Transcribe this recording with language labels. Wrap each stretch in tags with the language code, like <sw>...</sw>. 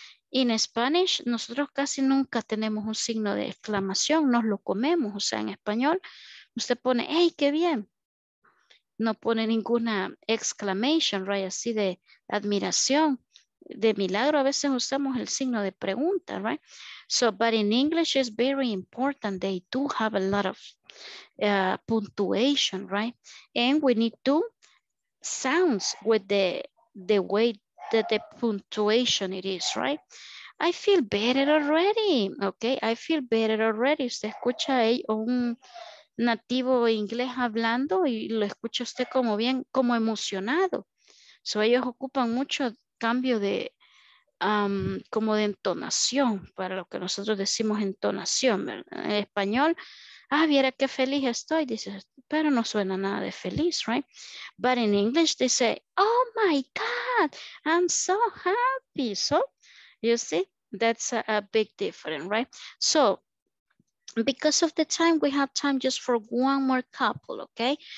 <en>In Spanish,</en> <es>nosotros casi nunca tenemos un signo de exclamación. Nos lo comemos. O sea, en español, usted pone, hey, qué bien. No pone ninguna exclamation, right? Así de admiración. De milagro, a veces usamos el signo de pregunta, right?</es> <en>So, but in English, it's very important. They do have a lot of punctuation, right? And we need two sounds with the way that the punctuation it is, right? I feel better already, okay? I feel better already.</en> <es>Usted escucha un nativo inglés hablando y lo escucha usted como bien, como emocionado. So, ellos ocupan mucho cambio de como de entonación, para lo que nosotros decimos entonación, ¿verdad? En español, ah, viera qué feliz estoy, dices, pero no suena nada de feliz, right?</es> <en>But in English they say, oh my God, I'm so happy. So, you see, that's a big difference, right? So, because of the time, we have time just for one more couple, okay?</en>